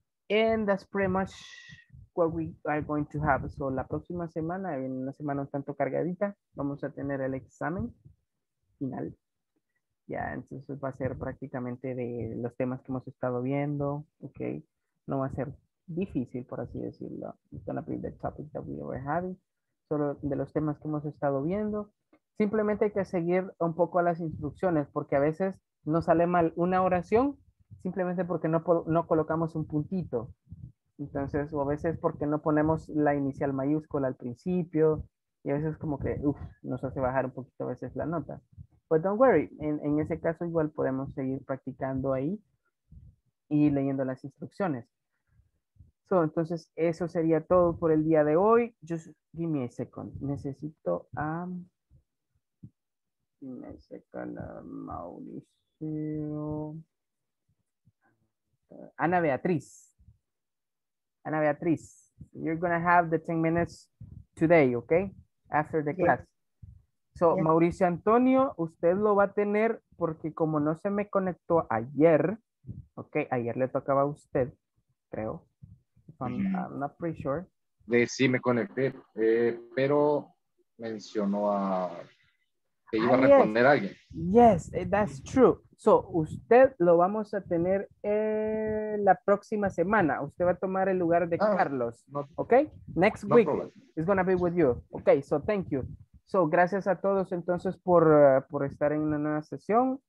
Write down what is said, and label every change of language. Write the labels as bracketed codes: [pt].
[en] And that's pretty much what we are going to have. [es] So la próxima semana, en una semana un tanto cargadita, vamos a tener el examen final. Ya, entonces va a ser prácticamente de los temas que hemos estado viendo, ok. No va a ser difícil, por así decirlo. [en] It's gonna be the topic that we were having. [es] Solo de los temas que hemos estado viendo. Simplemente hay que seguir un poco las instrucciones, porque a veces nos sale mal una oración simplemente porque no colocamos un puntito. Entonces, o a veces porque no ponemos la inicial mayúscula al principio, y a veces como que uf, nos hace bajar un poquito a veces la nota. [en] But don't worry, [es] en ese caso igual podemos seguir practicando ahí y leyendo las instrucciones. So, entonces, eso sería todo por el día de hoy. [en] Just give me a second. [es] Necesito a... [en] Give me a second, Mauricio. Ana Beatriz. Ana Beatriz, you're going to have the 10 minutes today, okay? After the class. So, yeah. [es] Mauricio Antonio, usted lo va a tener porque como no se me conectó ayer, okay, ayer le tocaba a usted, creo. [en] I'm not pretty sure. [es] Sí, me conecté, pero mencionó a... que iba a responder [en] yes. [es] alguien. [en] Yes, that's true. [es] So, usted lo vamos a tener la próxima semana. Usted va a tomar el lugar de Carlos. [en] Okay? Next week is going to be with you. Okay, so thank you. [es] So, gracias a todos entonces por estar en una nueva sesión.